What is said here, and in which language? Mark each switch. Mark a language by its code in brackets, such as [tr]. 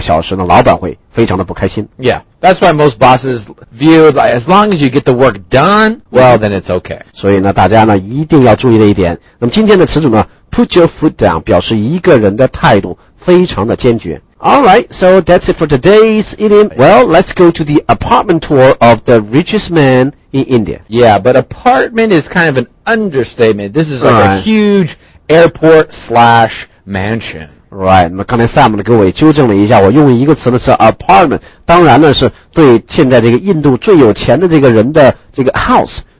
[zh] 我们知道老板呢非常的好，但是大家上班的时候呢，尽量把自己娱乐的时间呢给他压缩，不要说上一天班8个小时，然后呢结果呢玩电脑用了6个小时呢，老板会非常的不开心。Yeah, [en] that's why most bosses view like as long as you get the work done, well, then it's okay. [zh] 所以呢，大家呢一定要注意的一点。那么今天的词组呢 ， [en] put your foot down [zh] 表示一个人的态度非常的坚决。 [en] Alright, so that's it for today's idiom. Well, let's go to the apartment tour of the richest man in India. Yeah, but apartment is kind of an understatement. This is like right. a huge airport / mansion. [zh] Right, 那么刚才 Sam 给我也纠正了一下，我用一个词呢是 apartment， 当然呢是对现在这个印度最有钱的这个人的这个 house。